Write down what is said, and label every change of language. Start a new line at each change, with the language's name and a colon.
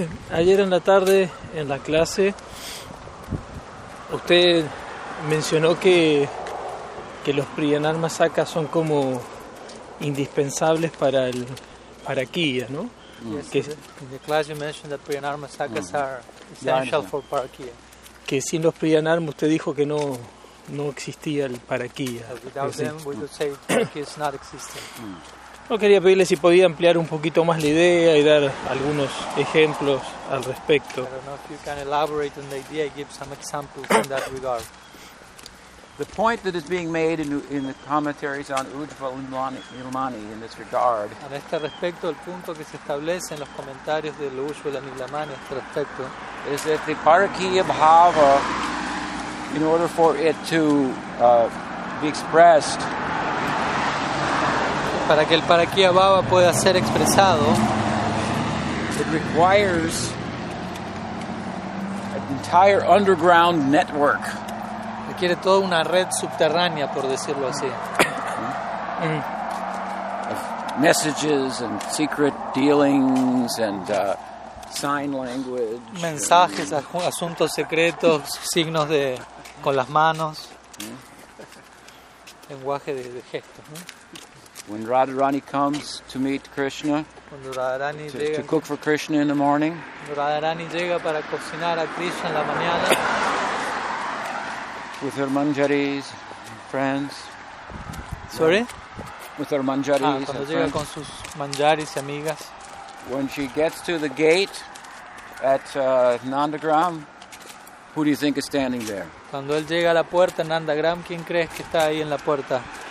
Spanish: Ayer en la tarde, en la clase, usted mencionó que los Priyanarma-sakhya son como indispensables para el para Kiya, ¿no?
English: Yes, in the class you mentioned that Priyanarma-sakhyas are essential for Parakiya.
Spanish: Que sin los Priyanarma usted dijo que no existía el Parakiya.
English: Without them, we would say Parakiya is not existing.
Spanish: No quería pedirle si podía ampliar un poquito más la idea y dar algunos ejemplos al respecto.
English: I don't know if you can elaborate on the idea and give some examples in that regard. The point that is being made in the commentaries on Ujjva Nilmani in this regard.
Spanish: A este respecto, el punto que se establece en los comentarios de Ujjva Nilmani a este respecto
English: is that the Parakiya Bhava, in order for it to be expressed,
Spanish: para que el Parakiya Bhava pueda ser expresado,
English: it requires an entire underground network.
Spanish: Quiere toda una red subterránea, por decirlo así.
English: Messages and secret dealings and sign language.
Spanish: Mensajes, asuntos secretos, signos de con las manos, lenguaje de gestos.
English: When Radharani comes to meet Krishna,
Spanish: cuando Radharani llega
English: to cook for Krishna in the morning,
Spanish: Radharani llega para cocinar a Krishna en la mañana.
English: With her manjaris, friends. Sorry? With her manjaris and friends.
Spanish: Cuando llega con sus manjaris y amigas.
English: When she gets to the gate at Nandagram, who do you think is standing there?
Spanish: Cuando él llega a la puerta en Nandagram, ¿quién crees que está ahí en la puerta?